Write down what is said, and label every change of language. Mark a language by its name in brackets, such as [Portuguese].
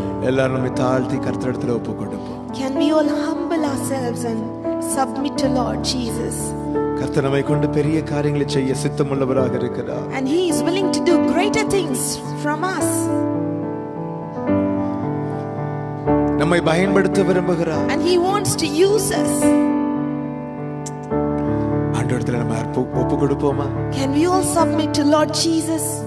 [Tamil] எல்லாரும் தாழ்த்தி கர்த்தரிடத்தில் ஒப்பு கொடுப்போம். [English] Can we all humble ourselves and submit to Lord Jesus? [Tamil] கர்த்தரை கொண்டு பெரிய காரியங்களை செய்ய சித்தமுள்ளவராக இருக்கிறார். [English] And he is willing to do greater things from us. [Tamil] நம்மை பயன்படுத்த விரும்புகிறார். [English] And he wants to use us. [Tamil] ஆண்டவரே, நம்ம ஒப்பு கொடுப்போமா? [English] Can we all submit to Lord Jesus?